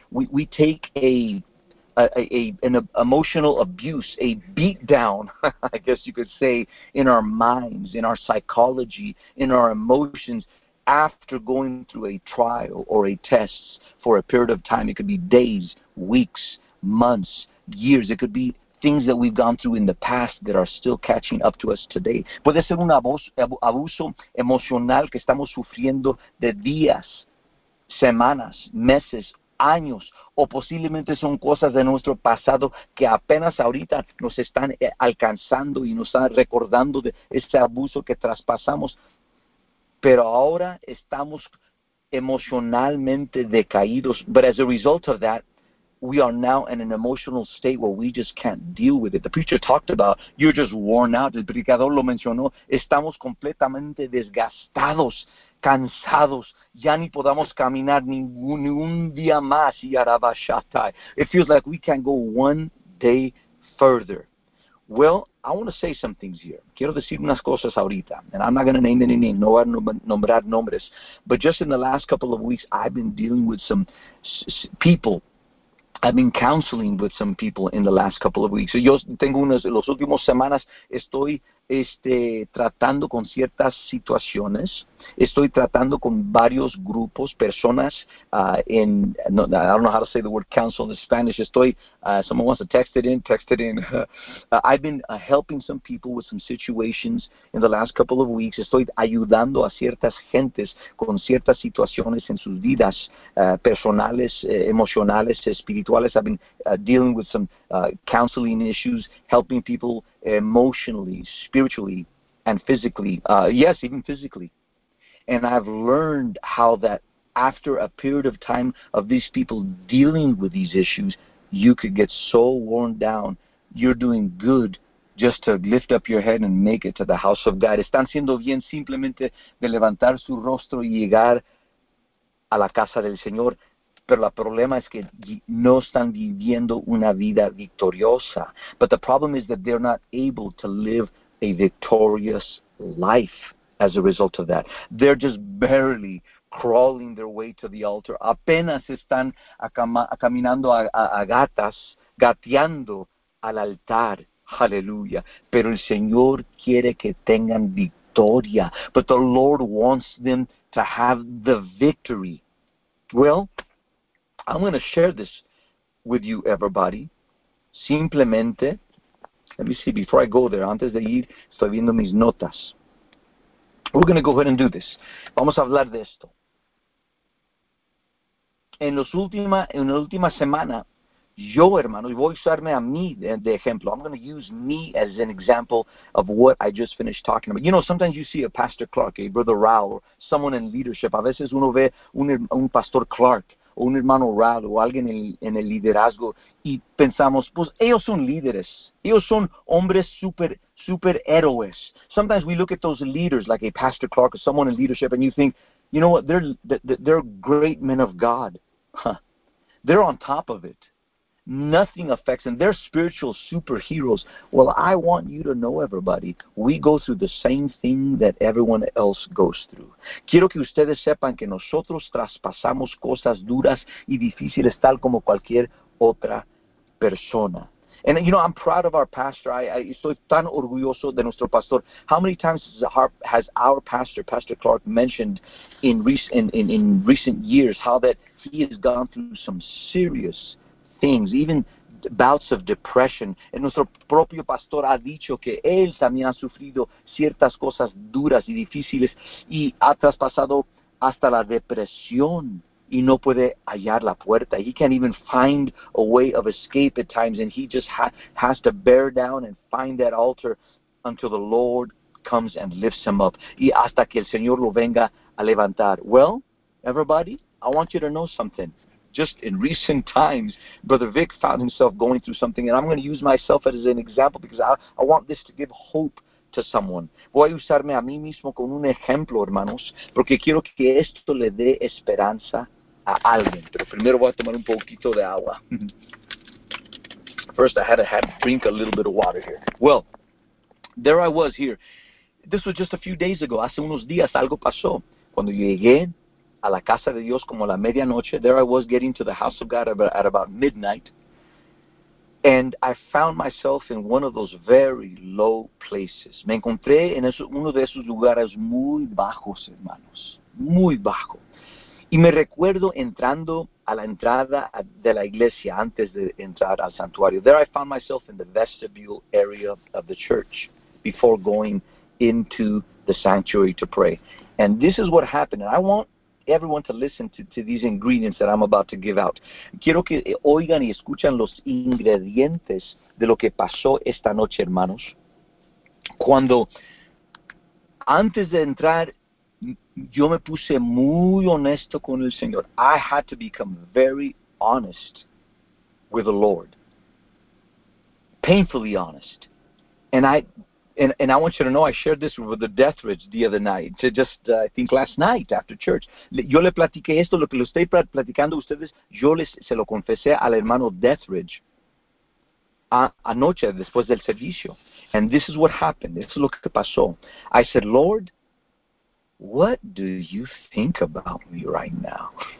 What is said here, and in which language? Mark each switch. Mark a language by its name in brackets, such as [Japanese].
[English] We take an emotional abuse, a beat down, I guess you could say, in our minds, in our psychology, in our emotions, after going through a trial or a test for a period of time. It could be days, weeks, months, years. It could be things that we've gone through in the past that are still catching up to us today. [Spanish] Puede ser un abuso emocional que estamos sufriendo de días, semanas, meses, años, o posiblemente son cosas de nuestro pasado que apenas ahorita nos están alcanzando y nos están recordando de ese abuso que traspasamos, pero ahora estamos emocionalmente decaídos. [English] But as a result of that, we are now in an emotional state where we just can't deal with it. The preacher talked about, you're just worn out. [Spanish] El predicador lo mencionó. Estamos completamente desgastados, cansados. Ya ni podamos caminar ningún día más. [English] It feels like we can't go one day further. Well, I want to say some things here. [Spanish] Quiero decir unas cosas ahorita. [English] And I'm not going to name any name. [Spanish] No voy a nombrar nombres. [English] But just in the last couple of weeks, I've been dealing with some people. I've been counseling with some people in the last couple of weeks. [Spanish] So yo tengo unas, los últimos semanas estoy tratando con ciertas situaciones. Estoy tratando con varios grupos, personas, en, no, [English] I don't know how to say the word counsel in Spanish. [Spanish] Estoy, [English] someone wants to text it in. I've been helping some people with some situations in the last couple of weeks. [Spanish] Estoy ayudando a ciertas gentes con ciertas situaciones en sus vidas, personales, emocionales, espirituales. [English] I've been dealing with some counseling issues, helping people emotionally, spiritually, and physically, yes, even physically. And I've learned how that after a period of time of these people dealing with these issues, you could get so worn down. You're doing good just to lift up your head and make it to the house of God. [Spanish] Están siendo bien simplemente de levantar su rostro y llegar a la casa del Señor. Pero el problema es que no están viviendo una vida victoriosa. [English] But the problem is that they're not able to live a victorious life as a result of that. They're just barely crawling their way to the altar. [Spanish] Apenas están caminando a gatas, gateando al altar. Hallelujah. Pero el Señor quiere que tengan victoria. [English] But the Lord wants them to have the victory. Well, I'm going to share this with you, everybody. [Spanish] Simplemente, [English] let me see, before I go there, [Spanish] antes de ir, estoy viendo mis notas. [English] We're going to go ahead and do this. [Spanish] Vamos a hablar de esto. En la última semana, yo, hermano, y voy a usarme a mí de ejemplo. [English] I'm going to use me as an example of what I just finished talking about. You know, sometimes you see a Pastor Clark, a Brother Rao, or someone in leadership. [Spanish] A veces uno ve un Pastor Clark, o un hermano Rao, o alguien en el liderazgo, y pensamos, pues ellos son líderes, ellos son hombres super, super héroes. [English] Sometimes we look at those leaders, like a Pastor Clark or someone in leadership, and you think, you know what, they're great men of God. They're on top of it. Nothing affects them. They're spiritual superheroes. Well, I want you to know, everybody, we go through the same thing that everyone else goes through. [Spanish] Quiero que ustedes sepan que nosotros traspasamos cosas duras y difíciles tal como cualquier otra persona. [English] And, you know, I'm proud of our pastor. [Spanish] I estoy tan orgulloso de nuestro pastor. [English] How many times has our pastor, Pastor Clark, mentioned in recent years how that he has gone through some serious things, even bouts of depression. [Spanish] And nuestro propio pastor ha dicho que él también ha sufrido ciertas cosas duras y difíciles y ha traspasado hasta la depresión y no puede hallar la puerta. [English] He can't even find a way of escape at times, and he just has to bear down and find that altar until the Lord comes and lifts him up. [Spanish] Y hasta que el Señor lo venga a levantar. [English] Well, everybody, I want you to know something. Just in recent times, Brother Vic found himself going through something, and I'm going to use myself as an example because I want this to give hope to someone. [Spanish] Voy a usarme a mí mismo con un ejemplo, hermanos, porque quiero que esto le dé esperanza a alguien. Pero primero voy a tomar un poquito de agua. [English] First, I had to drink a little bit of water here. Well, there I was here. This was just a few days ago. [Spanish] Hace unos días, algo pasó. Cuando llegué a la casa de Dios como la medianoche, [English] there I was getting to the house of God at about midnight. And I found myself in one of those very low places. [Spanish] Me encontré en uno de esos lugares muy bajos, hermanos. Muy bajo. Y me recuerdo entrando a la entrada de la iglesia antes de entrar al santuario. [English] There I found myself in the vestibule area of the church before going into the sanctuary to pray. And this is what happened. And I want everyone to listen to these ingredients that I'm about to give out. [Spanish] Quiero que oigan y escuchen los ingredientes de lo que pasó esta noche, hermanos. Cuando antes de entrar, yo me puse muy honesto con el Señor. [English] I had to become very honest with the Lord. Painfully honest. And I want you to know, I shared this with the Deathridge the other night, I think last night after church. [Spanish] Yo le platiqué esto, lo que lo estoy platicando a ustedes, se lo confesé al hermano Deathridge anoche después del servicio. [English] And this is what happened. This is [Spanish] lo que pasó. [English] I said, Lord, what do you think about me right now?